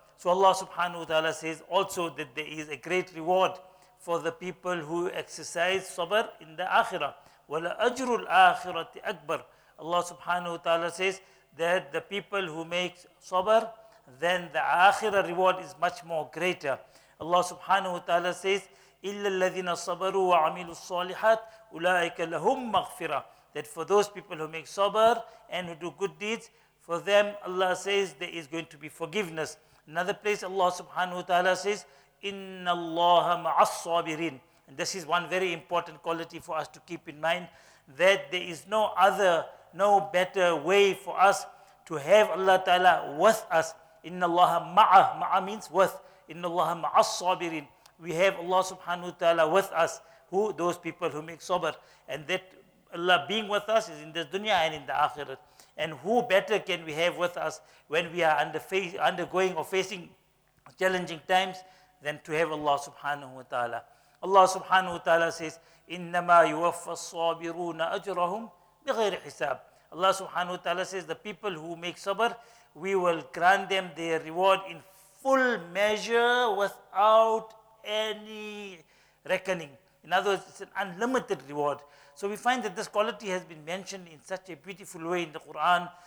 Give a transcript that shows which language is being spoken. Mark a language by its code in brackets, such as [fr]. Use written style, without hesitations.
[en] So Allah subhanahu wa ta'ala says also that there is a great reward for the people who exercise sabr in the akhirah. [ar] وَلَأَجْرُ الْآخِرَةِ أَكْبَرُ. [en] Allah subhanahu wa ta'ala says that the people who make sabr, then the akhirah reward is much more greater. Allah subhanahu wa ta'ala says, [ar] إِلَّا الَّذِينَ صَبَرُوا وَعَمِلُوا الصَّالِحَاتِ أُولَٰئِكَ لَهُمْ مَغْفِرَةً. [en] That for those people who make sabr and who do good deeds, for them Allah says there is going to be forgiveness. Another place Allah subhanahu wa ta'ala says, [ar] إِنَّ اللَّهَ مَعَ الصَّابِرِينَ. [en] And this is one very important quality for us to keep in mind, that there is no other, no better way for us to have Allah ta'ala with us. [ar] إِنَّ اللَّهَ مَعَ, مَعَ [en] means with. [ar] إِنَّ اللَّهَ مَعَ الصَّابِرِينَ. [en] We have Allah subhanahu wa ta'ala with us, who? Those people who make sabr. And that Allah being with us is in this dunya and in the akhirah. And who better can we have with us when we are undergoing or facing challenging times than to have Allah subhanahu wa ta'ala. Allah subhanahu wa ta'ala says, [ar] إِنَّمَا يُوَفَّ الصَّابِرُونَ أَجْرَهُمْ بِغَيْرِ حِسَابٍ. [en] Allah subhanahu wa ta'ala says, the people who make sabr, we will grant them their reward in full measure without any reckoning. In other words, it's an unlimited reward. So we find that this quality has been mentioned in such a beautiful way in the Quran.